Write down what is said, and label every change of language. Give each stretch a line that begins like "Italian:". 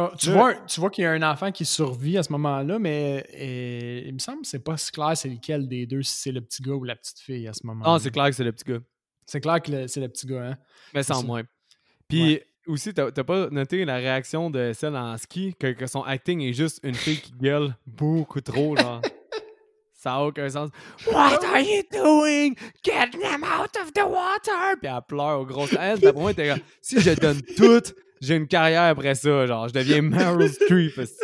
French: Tu vois qu'il y a un enfant qui survit à ce moment-là, mais il me semble que c'est pas si clair c'est lequel des deux, si c'est le petit gars ou la petite fille à ce moment-là. Non, c'est clair que c'est le petit gars. C'est clair que c'est le petit gars, hein. Mais sans moins. Puis ouais. Aussi, t'as pas noté la réaction de celle en ski, que son acting est juste une fille qui gueule beaucoup trop, genre. Ça a aucun sens.
English: What are you doing? Get them out of the water!
French: Puis elle pleure au gros sens. T'as pour moi, t'es comme, si je donne tout. J'ai une carrière après ça, genre, je deviens Meryl Streep.